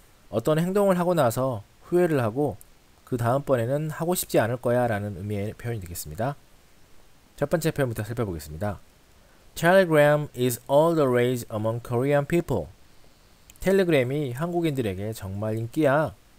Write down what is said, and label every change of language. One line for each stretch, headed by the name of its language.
Korean: 어떤 행동을 하고 나서 후회를 하고 그 다음번에는 하고 싶지 않을 거야 라는 의미의 표현이 되겠습니다. 첫 번째 표현부터 살펴보겠습니다.
English: Telegram is all the rage among Korean people.
Korean: 텔레그램이 한국인들에게 정말 인기야.